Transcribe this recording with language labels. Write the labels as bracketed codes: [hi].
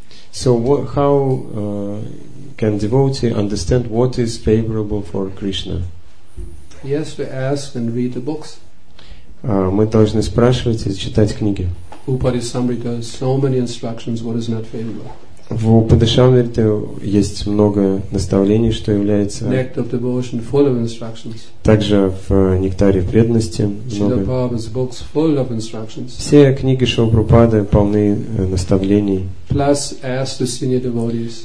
[en] So how can devotee understand what is favorable for Krishna? He has to ask and read the books. [ru] Мы должны спрашивать и читать книги. [en] Upadisamrita has so many instructions, what is not favorable. [ru] В Упадешамрите есть много наставлений, что является. [en] Nectar of devotion, full of instructions. [ru] Также в нектаре преданности много. [en] Srila Prabhupada's books full of instructions. [ru] Все книги Шрилы Прабхупады полны наставлений. [en] Plus, ask the senior devotees.